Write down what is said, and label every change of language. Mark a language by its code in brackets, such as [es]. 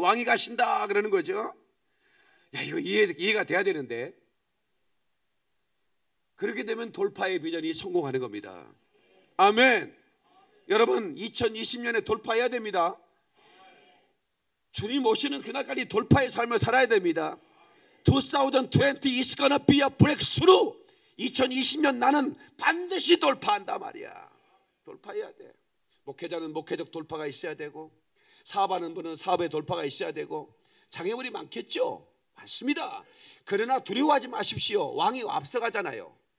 [ko] 왕이 가신다 그러는 거죠. 야, 이거 이해가 돼야 되는데. 그렇게 되면 돌파의 비전이 성공하는 겁니다. 아멘. 여러분 2020년에 돌파해야 됩니다. 주님 오시는 그날까지 돌파의 삶을 살아야 됩니다. [en] 2020 is gonna be a breakthrough. [ko] 2020년 나는 반드시 돌파한다 말이야. 돌파해야 돼. 목회자는 목회적 돌파가 있어야 되고 사업하는 분은 사업의 돌파가 있어야 되고 장애물이 많겠죠? 맞습니다. 그러나 두려워하지 마십시오. 왕이 앞서가잖아요.